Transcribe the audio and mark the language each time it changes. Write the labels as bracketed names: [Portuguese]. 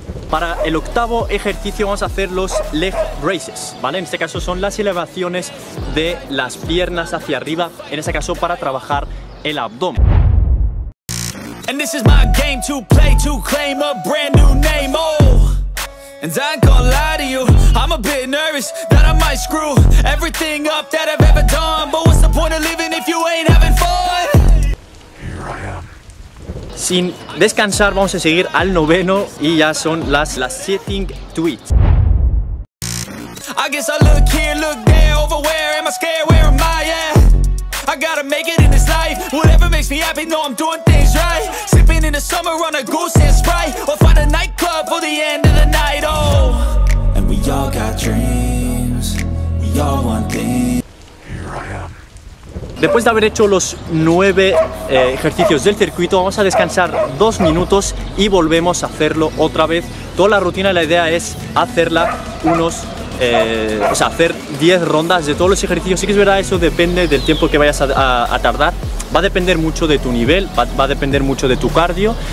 [Spanish] Para el octavo ejercicio vamos a hacer los leg raises, ¿vale? En este caso son las elevaciones de las piernas hacia arriba, en este caso para trabajar el abdomen. [English] And this is my game to play, to claim a brand new name, oh. And I ain't gonna lie to you, I'm a bit nervous that I might screw everything up that I've ever done. But what's the point of living if you ain't having fun? [Spanish] Sin descansar vamos a seguir al noveno y ya son las sitting tweets. [English] I guess I look here, look there, over where am I scared, where am I, yeah. I gotta make it in this life, whatever makes me happy, know I'm doing things right. Sipping in the summer on a goose and Sprite, or find a nightclub for the end of the night, oh. And we all got dreams, we all want things. [Spanish] Después de haber hecho los 9 ejercicios del circuito, vamos a descansar 2 minutos y volvemos a hacerlo otra vez. Toda la rutina, la idea es hacerla hacer 10 rondas de todos los ejercicios. Sí que es verdad, eso depende del tiempo que vayas a tardar. Va a depender mucho de tu nivel, va a depender mucho de tu cardio.